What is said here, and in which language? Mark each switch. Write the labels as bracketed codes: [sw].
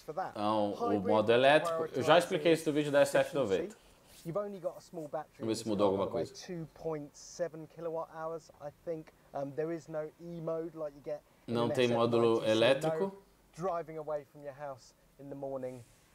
[pt] Então, o modo elétrico. Eu já expliquei isso no vídeo da SF90. Vamos ver se mudou alguma coisa. [en] 2.7 kWh, I think. There is no E-mode like you get. [pt] Não tem módulo elétrico. [en] Driving away from your house in the morning.